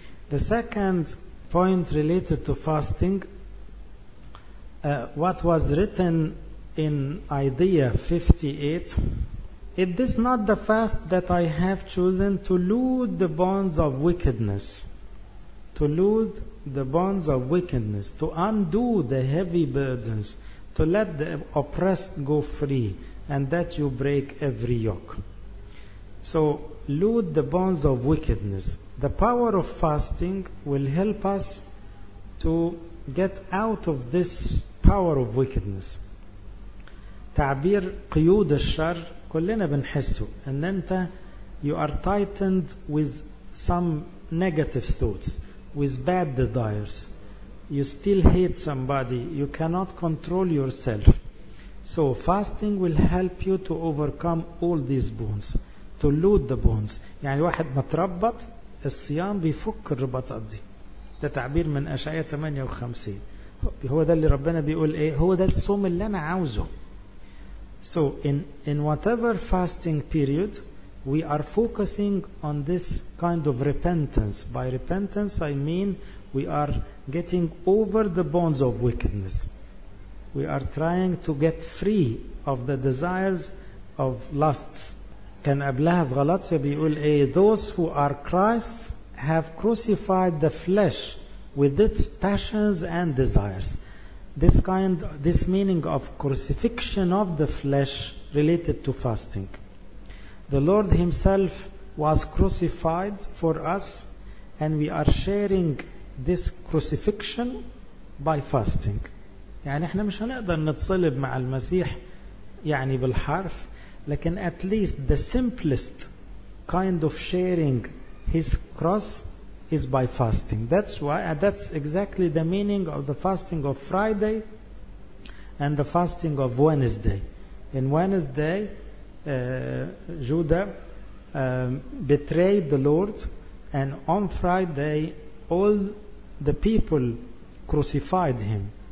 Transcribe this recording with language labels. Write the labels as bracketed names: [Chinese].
[English] The second point related to fasting, what was written in Isaiah 58, it is not the fast that I have chosen to loose the bonds of wickedness, to loose the bonds of wickedness, to undo the heavy burdens, to let the oppressed go free, and that you break every yoke. So, loose the bonds of wickedness. The power of fasting will help us to get out of this power of wickedness. [Arabic] تعبير قيود الشر كلنا بنحسه. [English] And then you are tightened with some negative thoughts, with bad desires. You still hate somebody. You cannot control yourself. So fasting will help you to overcome all these bonds, to loot the bonds. [Arabic] يعني واحد ما تربط الصيام بيفك الرباطات دي. ده تعبير من أشعياء 58. هو ده اللي ربنا بيقول إيه؟ هو ده الصوم اللي أنا عاوزه. [English] So in whatever fasting period, we are focusing on this kind of repentance. By repentance, I mean we are getting over the bonds of wickedness. We are trying to get free of the desires of lusts. [Arabic] كان قبلها في غلاطية بيقول إيه؟ [English] Those who are Christ have crucified the flesh with its passions and desires. This meaning of crucifixion of the flesh related to fasting. The Lord Himself was crucified for us, and we are sharing this crucifixion by fasting. [Arabic] يعني احنا مش هنقدر نتصلب مع المسيح يعني بالحرف, لكن [English] at least the simplest kind of sharing His cross is by fasting. That's why, and that's exactly the meaning of the fasting of Friday and the fasting of Wednesday. In Wednesday, Judah betrayed the Lord, and on Friday all the people crucified him.